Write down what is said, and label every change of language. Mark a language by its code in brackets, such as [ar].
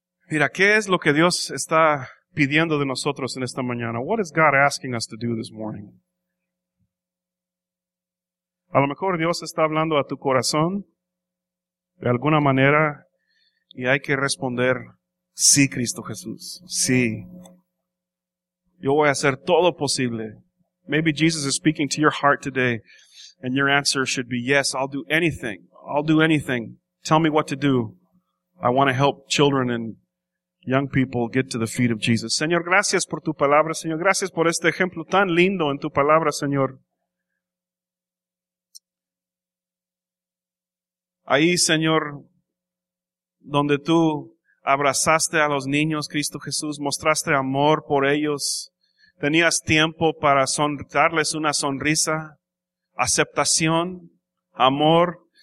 [es] Mira, ¿qué es lo que Dios está pidiendo de nosotros en esta mañana? [en] What is God asking us to do this morning? [es] A lo mejor Dios está hablando a tu corazón de alguna manera y hay que responder, sí, Cristo Jesús, sí. Yo voy a hacer todo posible. [en] Maybe Jesus is speaking to your heart today and your answer should be, yes, I'll do anything. I'll do anything. Tell me what to do. I want to help children and young people get to the feet of Jesus. [es] Señor, gracias por tu palabra. Señor, gracias por este ejemplo tan lindo en tu palabra, Señor. Ahí, Señor, donde tú abrazaste a los niños, Cristo Jesús, mostraste amor por ellos, tenías tiempo para darles una sonrisa, aceptación, amor.